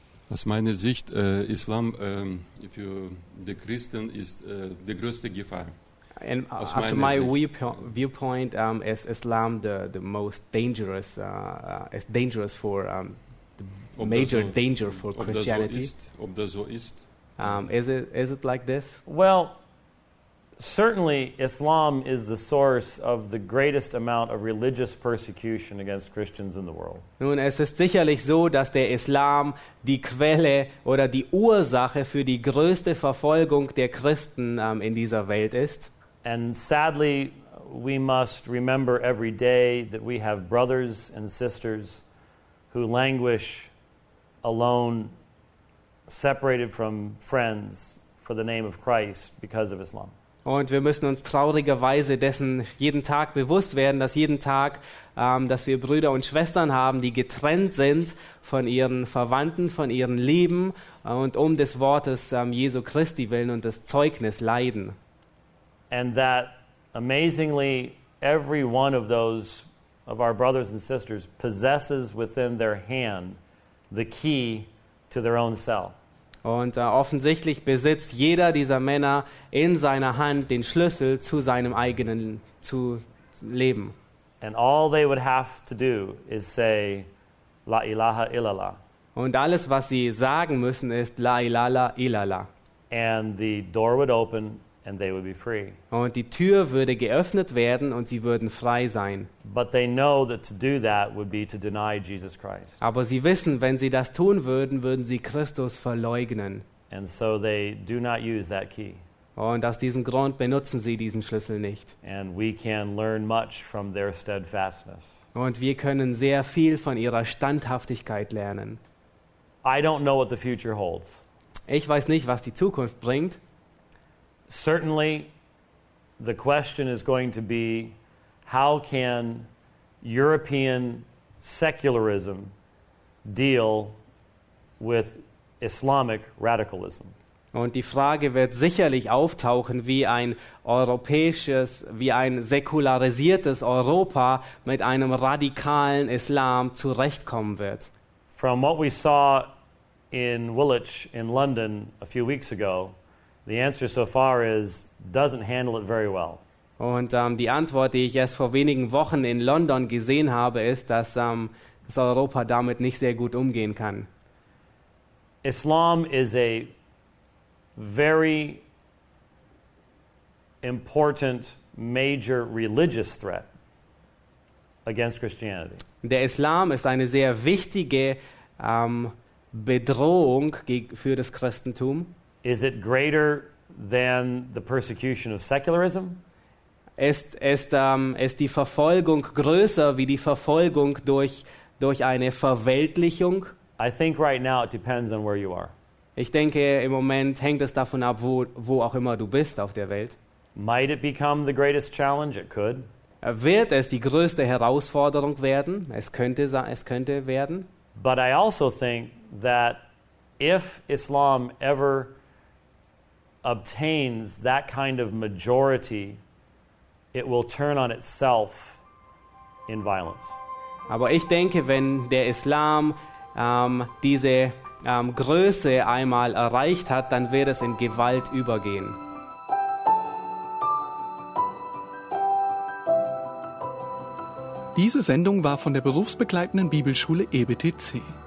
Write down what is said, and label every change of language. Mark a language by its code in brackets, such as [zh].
[de] Aus meiner Sicht, Islam für die Christen ist die größte Gefahr. [en] And after my viewpoint, is Islam the most dangerous? Is dangerous for the [de] ob [en] major so, danger for Christianity? [de] Ob das so ist? [en] Is it like this? Well, certainly Islam is the source of the greatest amount of religious persecution against Christians in the world. [de] Nun, es ist sicherlich so, dass der Islam die Quelle oder die Ursache für die größte Verfolgung der Christen in dieser Welt ist. [en] And sadly, we must remember every day that we have brothers and sisters who languish alone, separated from friends for the name of Christ because of Islam. [de] Und wir müssen uns traurigerweise dessen jeden Tag bewusst werden, dass jeden Tag, dass wir Brüder und Schwestern haben, die getrennt sind von ihren Verwandten, von ihren Lieben und um des Wortes Jesu Christi willen und des Zeugnis leiden. [en] And that amazingly every one of those of our brothers and sisters possesses within their hand the key to their own cell. [de] Und offensichtlich besitzt jeder dieser Männer in seiner Hand den Schlüssel zu seinem eigenen zu Leben. [en] And all they would have to do is say [ar] la ilaha illallah. [de] Und alles was sie sagen müssen ist [ar] la ilaha illallah. [en] And the door would open and they would be free. [de] Und die Tür würde geöffnet werden und sie würden frei sein. [en] But they know that to do that would be to deny Jesus Christ. [de] Aber sie wissen, wenn sie das tun würden, würden sie Christus verleugnen. [en] And so they do not use that key. [de] Und aus diesem Grund benutzen sie diesen Schlüssel nicht. [en] And we can learn much from their steadfastness. [de] Und wir können sehr viel von ihrer Standhaftigkeit lernen. [en] I don't know what the future holds. [de] Ich weiß nicht, was die Zukunft bringt. [en] Certainly, the question is going to be, how can European secularism deal with Islamic radicalism? [de] Und die Frage wird sicherlich auftauchen, wie ein europäisches, wie ein säkularisiertes Europa mit einem radikalen Islam zurechtkommen wird. [en] From what we saw in Woolwich in London a few weeks ago, the answer so far is doesn't handle it very well. [de] Und die Antwort, die ich erst vor wenigen Wochen in London gesehen habe, ist, dass das Europa damit nicht sehr gut umgehen kann. [en] Islam is a very important major religious threat against Christianity. [de] Der Islam ist eine sehr wichtige Bedrohung für das Christentum. [en] Is it greater than the persecution of secularism? [de] Ist die Verfolgung größer wie die Verfolgung durch eine Verweltlichung? [en] I think right now it depends on where you are. [de] Ich denke, im Moment hängt es davon ab, wo auch immer du bist auf der Welt. [en] Might it become the greatest challenge? It could. [de] Wird es die größte Herausforderung werden? Es könnte werden. [en] But I also think that if Islam ever obtains that kind of majority, it will turn on itself in violence. [de] Aber ich denke, wenn der Islam diese Größe einmal erreicht hat, dann wird es in Gewalt übergehen. Diese Sendung war von der berufsbegleitenden Bibelschule EBTC.